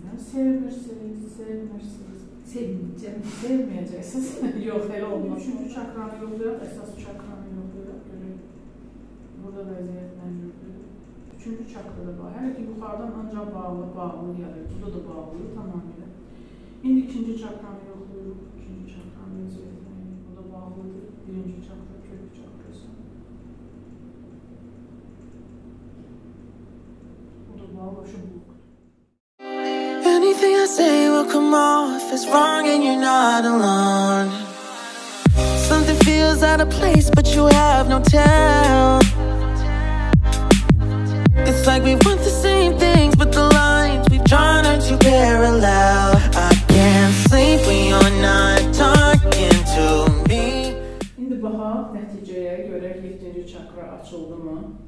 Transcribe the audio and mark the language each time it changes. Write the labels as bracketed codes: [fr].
[az] Sevmirsiniz, sevmirsiniz. Sevməyəcəksiniz. Yox, elə olmaz. Üçüncü çakranı yoxlayaq, əsas çakranı yoxlayaq. Burada vəziyyət məncudur. Üçüncü çakra da bağlı. Hələ ki, yuxardan ancaq bağlı, bağlı yarır. Burada da bağlı, tamamilə. İndi ikinci çakranı yoxlayırıq. İkinci çakranı vəziyyət məncudur. Bu da bağlıdır. Birinci çakra, kök çakrası. Bu da bağlı, şu bu. [en] Anything I say will come off as wrong and you're not alone. Something feels out of place but you have no tell. It's like we want the same things but the lines we've drawn are too parallel. I can't sleep when you're not talking to me. [az] İndi baxaq nəticəyə görə 7-ci çakra açıldı mı?